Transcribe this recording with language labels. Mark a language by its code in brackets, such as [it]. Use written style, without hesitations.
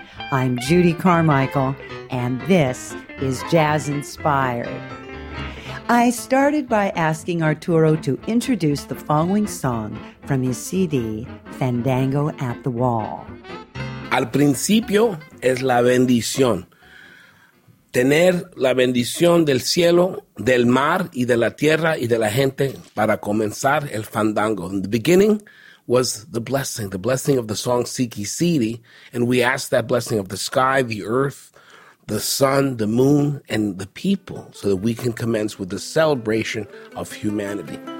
[en] I'm Judy Carmichael, and this is Jazz Inspired. I started by asking Arturo to introduce the following song from his CD, Fandango at the Wall. [es] Al principio es la bendición. Tener la bendición del cielo, del mar, y de la tierra, y de la gente para comenzar el fandango. [en] In the beginning was the blessing of the song Siki Siri, and we asked that blessing of the sky, the earth, the sun, the moon, and the people so that we can commence with the celebration of humanity.